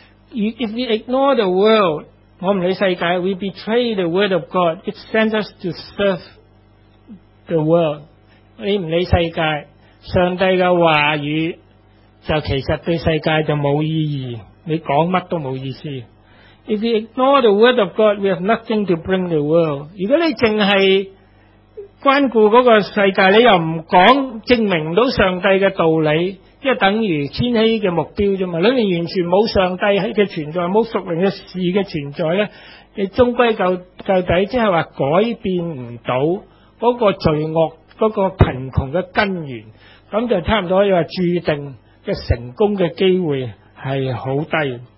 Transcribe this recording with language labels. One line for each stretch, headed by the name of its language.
English: If we ignore the world，
Cantonese: 我唔理世界
English: ，we betray the word of God。 It sends us to serve the world。
Cantonese: 你唔理世界，上帝嘅話語就其實對世界就冇意義，你講乜都冇意思。
English: If we ignore the word of God, we have nothing to bring the world.
Cantonese: 如果你只是關顧那個世界，你又不講證明到上帝的道理，即等於千禧的目標而已，裡面完全沒有上帝的存在，沒有屬靈的事的存在，你終歸究底即是說改變不到那個罪惡、那個貧窮的根源，那就差不多可以說注定的成功的機會是很低。